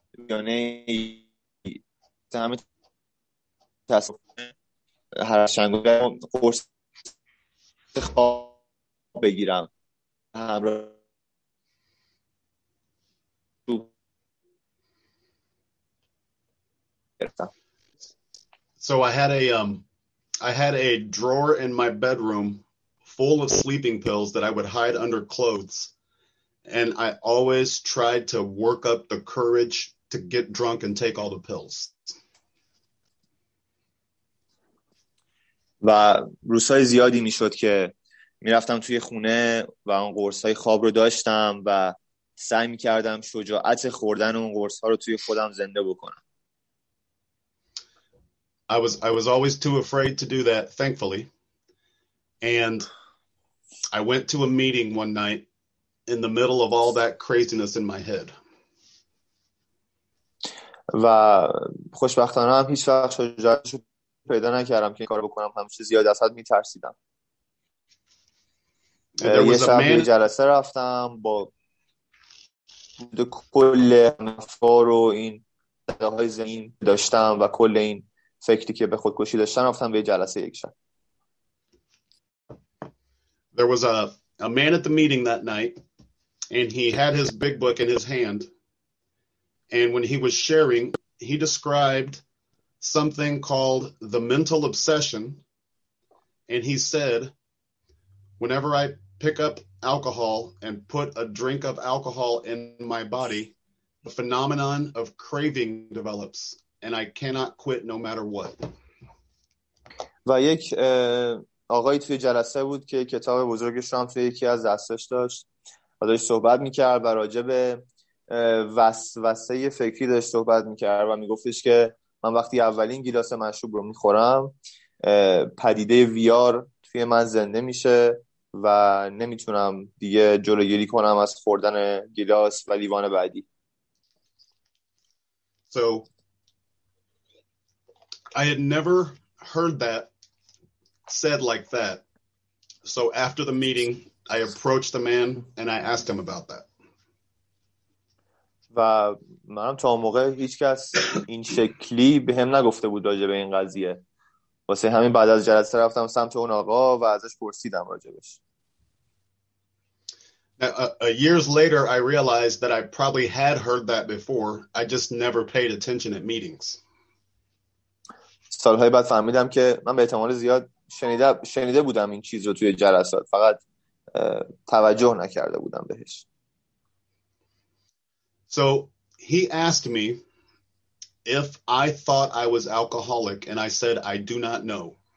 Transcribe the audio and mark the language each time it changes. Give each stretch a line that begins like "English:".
Persian: یعنی همه تصف هر شنگو قرص خواب بگیرم همراه تو گرفتم.
English: So I had a drawer in my bedroom full of sleeping pills that I would hide under clothes, and I always tried to work up the courage to get drunk and take all the pills.
Persian: و روزهای زیادی میشد که میرفتم توی خونه و اون قرصهای خواب رو داشتم و سعی میکردم شجاعت خوردن اون قرصها رو توی خودم زنده بکنم.
English: I was always too afraid to do that, thankfully. And I went to a meeting one night in the middle of all that craziness in my head.
Persian: و خوشبختانه هم هیچ وقت شجاعتشو پیدا نکردم که این کار بکنم. همیشه زیاد از حد میترسیدم. یه شب به جلسه رفتم با کل افکار و این صداهای ذهنی داشتم و کل این فکری که به خودکشی داشتم، رفتم به جلسه یک شب.
English: There was a man at the meeting that night and he had his big book in his hand. And when he was sharing, he described something called the mental obsession. And he said, whenever I pick up alcohol and put a drink of alcohol in my body, the phenomenon of craving develops and I cannot quit no matter what.
Persian: و یک آقای توی جلسه بود که کتاب بزرگش هم توی یکی از دستش داشت و داشت صحبت میکرد و راجبه وسوسه فکری داشت صحبت میکرد و میگفتش که من وقتی اولین گیلاس مشروب رو میخورم پدیده ویار توی من زنده میشه و نمیتونم دیگه جلوگیری کنم از خوردن گیلاس و لیوان بعدی.
English: So I had never heard that said like that. So after the meeting I approached the man and I asked him about that.
Persian: و منم تا اون موقع هیچ کس این شکلی به هم نگفته بود راجع به این قضیه، واسه همین بعد از جلسه رفتم سمت اون آقا و ازش پرسیدم راجبش.
English: Years later I realized that I probably had heard that before, I just never paid attention at meetings.
Persian: سالهای بعد فهمیدم که من به احتمال زیاد شنیده بودم این چیز رو توی جلسات، فقط توجه نکرده بودم بهش.
English: So he asked me if I thought I was alcoholic and I said I do not know.